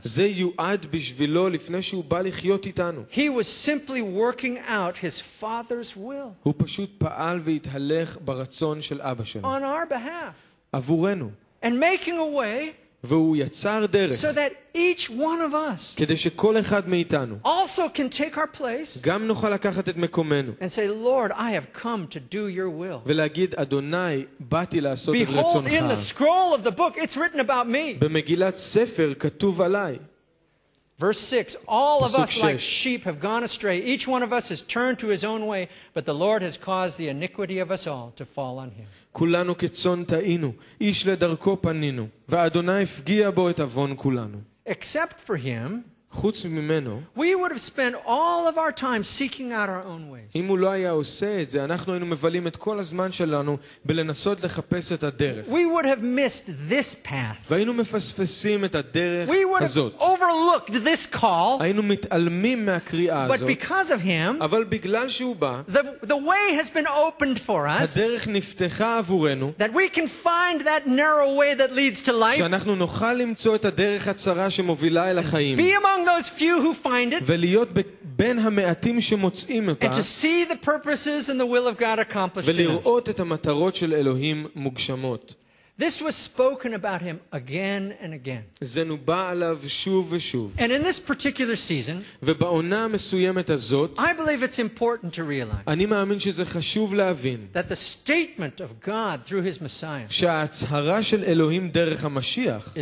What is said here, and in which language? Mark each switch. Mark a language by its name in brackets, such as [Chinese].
[Hebrew] זה יועד בשבילו לפני שהוא בא לחיות איתנו. [English] He was simply working out his father's will. [Hebrew] הוא פשוט פעל והתהלך ברצון של אבא שלו. [English] On our behalf. [Hebrew] עבורנו. [English] And making a way. [Hebrew] והוא יצר דרך [English] so that each one of us [Hebrew] כדי שכל אחד מאיתנו [English] also can take our place [Hebrew] גם נוכל לקחת את מקומנו [English] and say Lord I have come to do your will [Hebrew] ולהגיד אדוני באתי לעשות את רצונך [English] behold in the scroll of the book it's written about me [Hebrew] במגילת ספר כתוב עליי [English] verse 6 all of us like sheep have gone astray each one of us has turned to his own way but the Lord has caused the iniquity of us all to fall on him [Hebrew] כולנו כצאן טעינו, איש לדרכו פנינו, ואדוני הפגיע בו את אבון כולנו. [English] Except for him, [Hebrew] חוץ ממנו, [English] we would have spent all of our time seeking out our own ways. [Hebrew] אם הוא לא היה עושה את זה, אנחנו היינו מבלים את כל הזמן שלנו בלנסות לחפש את הדרך. [English] We would have missed this path. [Hebrew] והיינו מפספסים את הדרך הזאת. [English] We would have overlooked this call. [Hebrew] היינו מתעלמים מהקריאה הזאת. [English] But because of him, [Hebrew] אבל בגלל שהוא בא, [English] the way has been opened for us. [Hebrew] הדרך נפתחה עבורנו. [English] That we can find that narrow way that leads to life. [Hebrew] שאנחנו נוכל למצוא את הדרך הצרה שמובילה אל החיים. [English] Among those few who find it [Hebrew] ולהיות בין המעטים שמוצאים אותה [English] and to see the purposes and the will of God accomplished [Hebrew] ולראות את המטרות של אלוהים מוגשמות [English] This was spoken about him again and again. [Hebrew] זה נובע עליו שוב ושוב. [English] And in this particular season, [Hebrew] ובעונה המסוימת הזאת, [English] I believe it's important to realize. [Hebrew] אני מאמין שזה חשוב להבין. [English] That the statement of God through his Messiah. [Hebrew] שההצהרה של אלוהים דרך המשיח.